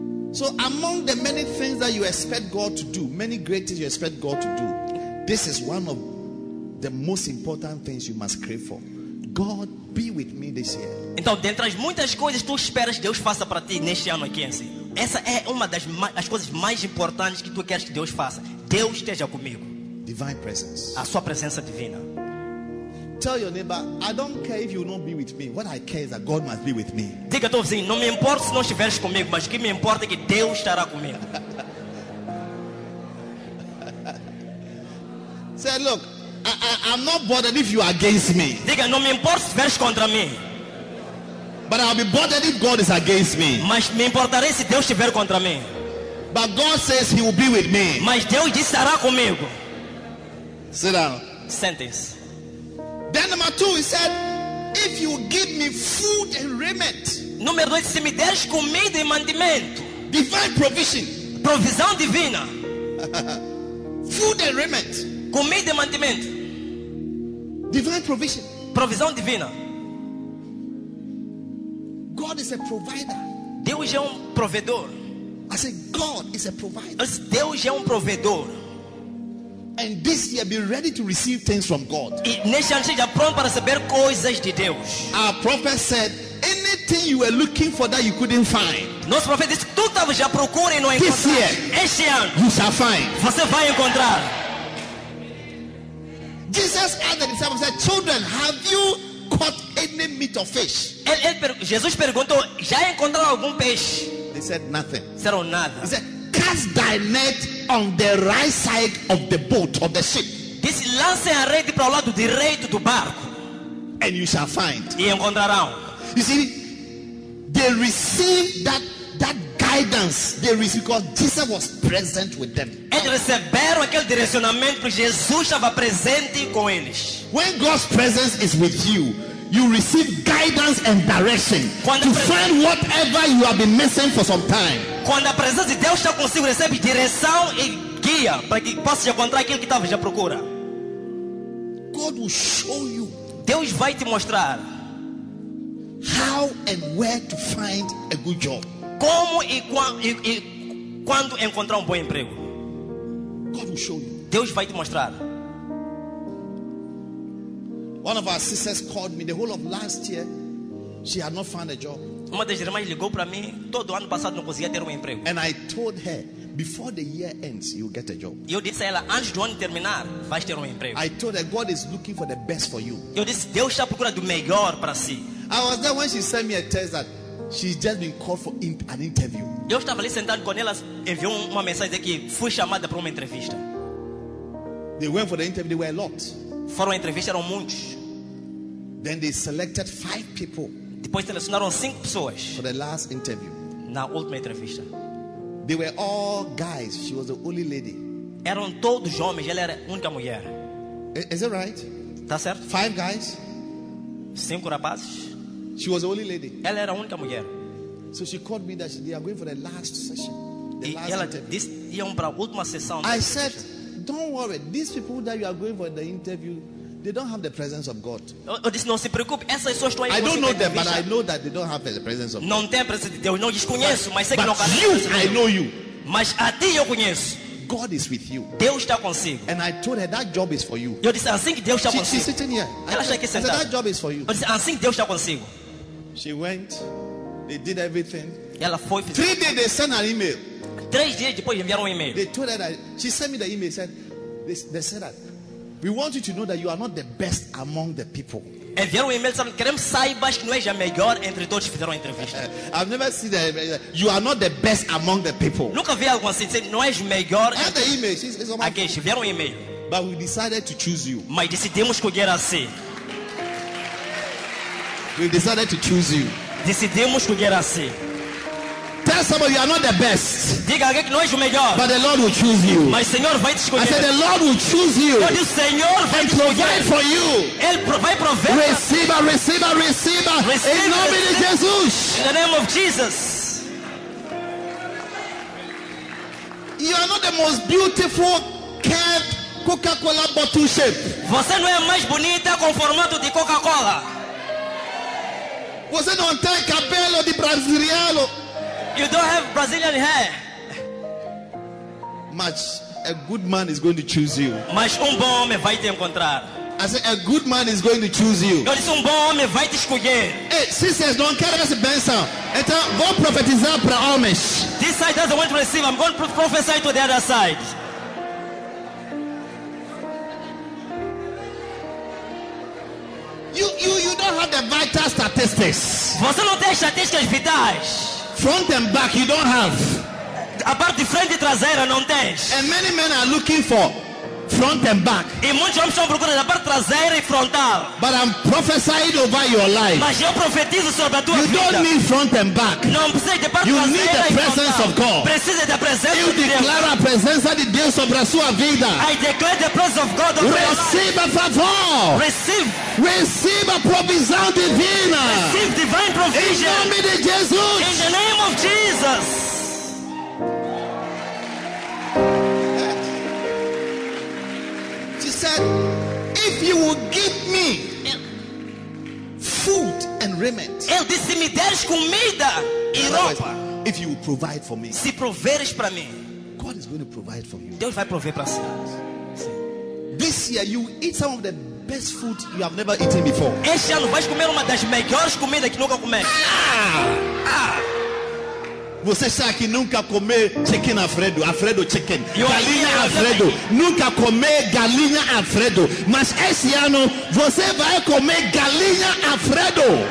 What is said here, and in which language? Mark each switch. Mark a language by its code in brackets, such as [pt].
[en] So among the many things that you expect God to do, many great things you expect God to do, this is one of the most important things you must crave for. God be with me this year. [pt] Então, dentre as muitas coisas tu esperas que Deus faça para ti neste ano aqui em si. Essa é uma das as coisas mais importantes que tu queres que Deus faça. Deus esteja comigo. [en] Divine presence. [pt] A sua presença divina. [en] Tell your neighbor, "I don't care if you will not be with me. What I care is that God must be with me." [pt] Diga teu vizinho, não me importa se não estiveres comigo, mas o que me importa é que Deus estará comigo. [en] Say, "Look, I'm not bothered if you are against me." [pt] Diga, não me importa se estiveres contra mim. [en] "But I'll be bothered if God is against me." [pt] Mas me importarei se Deus estiver contra mim. [en] "But God says He will be with me." [pt] Mas Deus disse estará comigo. [en] Sit down. Sentence. Then number two, he said, "If you give me food and raiment." [pt] Número dois, se me deres comida e mantimento. [en] Divine provision. [pt] Provisão divina. [en] Food and raiment. [pt] Comida e mantimento. [en] Divine provision. [pt] Provisão divina. [en] God is a provider. [pt] Deus é um provedor. [en] I said, God is a provider. [pt] Deus é um provedor. [en] And this year, be ready to receive things from God. [pt] E neste ano seja pronto para receber coisas de Deus. [en] Our prophet said, anything you were looking for that you couldn't find. [pt] Nosso profeta disse, tudo estava já procurando e não encontrar. [en] This year, [pt] este ano, [en] you shall find. [pt] Você vai encontrar. [en] Jesus asked the disciples, said, "Children, have you caught any meat or fish?" [pt] Jesus perguntou, já encontraram algum peixe? [en] They said nothing. [pt] Disseram nada. [en] He said, "Cast thy net on the right side of the boat of the ship." [pt] Disse, lance a rede para o lado direito do barco. [en] And you shall find. [pt] E encontrarão. [en] You see, they received that guidance. They received because Jesus was present with them. [pt] Eles receberam aquele direcionamento porque Jesus estava presente com eles. [en] When God's presence is with you, you receive guidance and direction to find whatever you have been missing for some time. [pt] Quando a presença de Deus está consigo, recebe direção e guia para que possa encontrar aquilo que estava já procura. [en] God will show you. [pt] Deus vai te mostrar [en] how and where to find a good job. [pt] Como e quando encontrar bom emprego. [en] God will show you. [pt] Deus vai te mostrar. [en] One of our sisters called me the whole of last year. She had not found a job. [pt] Uma das irmãs ligou para mim todo ano passado, não conseguia ter emprego. [en] And I told her, before the year ends, you'll get a job. [pt] Eu disse a ela, antes do ano terminar, vais ter emprego. [en] I told her, God is looking for the best for you. [pt] Eu disse, Deus está procurando o melhor para si. [en] I was there when she sent me a text that she's just been called for an interview. [pt] Eu estava ali sentado com ela, enviou uma mensagem que fui chamada para uma entrevista. [en] They went for the interview, they were locked. [pt] Foram entrevistas, eram muitos. [en] Then they selected 5 people. [pt] Depois selecionaram 5 pessoas. [en] For the last interview. [pt] Na última entrevista. [en] They were all guys. She was the only lady. [pt] Eram todos homens. Ela era a única mulher. [en] Is that right? [pt] Tá certo. [en] 5 guys. [pt] 5 rapazes. [en] She was the only lady. [pt] Ela era a única mulher. [en] So she called me that they are going for the last session. The [pt] e [en] last [pt] ela disse, iam para a última sessão. [en] I said, don't worry. These people that you are going for the interview, they don't have the presence of God. [pt] Eu disse, não se preocupe. Essas pessoas estão aí. [en] I don't know them, but I know that they don't have the presence of God. [pt] Não tem presença de Deus. Não os conheço, mas sei que não conheço. [en] But you, I know you. [pt] Mas a ti eu conheço. [en] God is with you. [pt] Deus está consigo. [en] And I told her that job is for you. [pt] Eu disse, assim que Deus está consigo. [en] She's sitting here. [pt] Ela está aqui sentada. [en] I said, that job is for you. [pt] Eu disse, assim que Deus está consigo. [en] She went. They did everything. [pt] Ela foi. [en] 3 days they sent an email. [pt] 3 dias depois enviaram e-mail. [en] They told her that she sent me the email. Said they said that. We want you to know that you are not the best among the people. [pt] Enviaram e-mail, queremos saibas que não és a melhor entre todos que fizeram a entrevista. [en] I've never seen that. You are not the best among the people. [pt] Nunca vi algo assim, dizer, não és o melhor. [en] And the email, she's on my [pt] phone. Okay, enviaram e-mail. [en] But we decided to choose you. [pt] Mas decidimos escolher a si. [en] We decided to choose you. [pt] Decidimos escolher a si. [en] Tell somebody you are not the best. [pt] Diga alguém que não é o melhor. [en] But the Lord will choose you. [pt] Mas o Senhor vai te escolher. [en] I said the Lord will choose you. [pt] Eu disse, Senhor vai te [en] provide [pt] escolher. [en] For you. [pt] Ele vai prover. [en] Receiver. [pt] Em nome de Jesus. [en] In the name of Jesus. You are not the most beautiful can Coca-Cola bottle shape. [pt] Você não é a mais bonita com formato de Coca-Cola. Você não tem cabelo de brasileiro. [en] You don't have Brazilian hair. Much a good man is going to choose you. [pt] Mas bom homem vai te encontrar. [en] I said a good man is going to choose you. [pt] Eu disse, bom homem vai te escolher. [en] Hey, sisters, don't carry [pt] essa bênção. Então, vou profetizar para homens. [en] This side doesn't want to receive. I'm going to prophesy to the other side. You don't have the vital statistics. [pt] Você não tem estatísticas vitais. [en] Front and back, you don't have. [pt] A parte frente e traseira não tens. [en] And many men are looking for front and back. [pt] E muitos homens estão procurando a parte traseira e frontal. [en] But I'm prophesying over your life. [pt] Mas eu profetizo sobre a tua [en] you [pt] vida. [en] You don't need front and back. [pt] Não precisa de parte [en] you [pt] traseira e frontal. [en] You need the presence of God. [pt] Precisa da presença de Deus. Eu declaro a presença de Deus sobre a sua vida. [en] I declare the presence of God over your life. Receive a favor. Receive. Receive a [pt] provisão divina. [en] Receive divine provision. [pt] Em nome de Jesus. [en] In the name of Jesus. If you will give me food and raiment, [pt] eu disse, me deres comida e roupa. [en] If you will provide for me, [pt] se proveres para mim, [en] God is going to provide for you. [pt] Deus vai prover para si. [en] This year you eat some of the best food you have never eaten before. [pt] Este ano vais comer uma das melhores comidas que nunca comeste. Você sabe que nunca comeu chicken Alfredo, Alfredo chicken, galinha Alfredo. Nunca comeu galinha Alfredo. Mas esse ano você vai comer galinha Alfredo.